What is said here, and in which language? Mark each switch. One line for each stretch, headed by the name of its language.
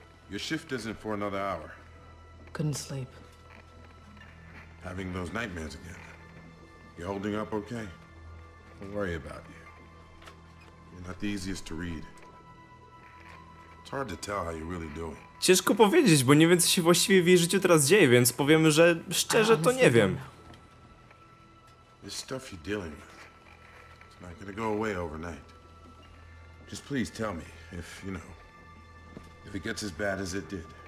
English: Your shift isn't for another hour. Couldn't sleep. Having those nightmares again. You holding up okay? Don't worry about you. You're not the easiest to read. It's hard to tell how you're really doing.
Polish: Ciężko powiedzieć, bo nie wiem, co się właściwie w jej życiu teraz dzieje, więc powiem, że szczerze to nie wiem.
English: This stuff you're dealing with, it's not gonna go away overnight. Just please tell me if, you know, if it gets as bad as it did.